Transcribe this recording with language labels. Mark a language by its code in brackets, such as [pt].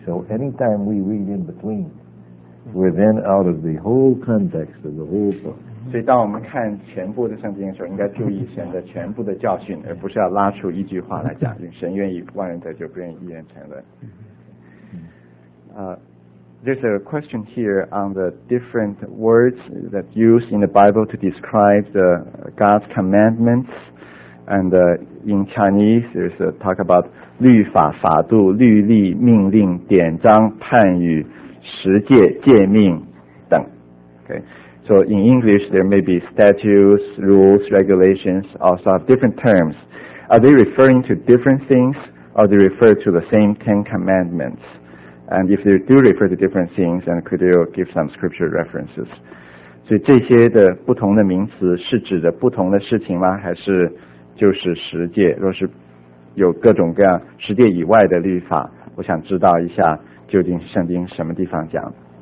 [en] So anytime we read in between, we're then out of the whole context of the whole book. [zh] 所以当我们看全部的圣经的时候，应该注意神的全部的教训，而不是要拉出一句话来讲，因为神愿意万人得救，不愿意一人沉沦。 [en] There's a question here on the different words that used in the Bible to describe the God's commandments. And in Chinese, there's a talk about [zh] 律法、法度、律例、命令、典章、判语、十诫、诫命等。 [en] Okay, so in English, there may be statutes, rules, regulations, also have different terms. Are they referring to different things, or they refer to the same Ten Commandments? And if they do refer to different things, and could you give some scripture references? [zh] 所以这些的不同的名词是指的不同的事情吗？还是就是十诫，若是有各种各样十诫以外的律法，我想知道一下究竟圣经什么地方讲。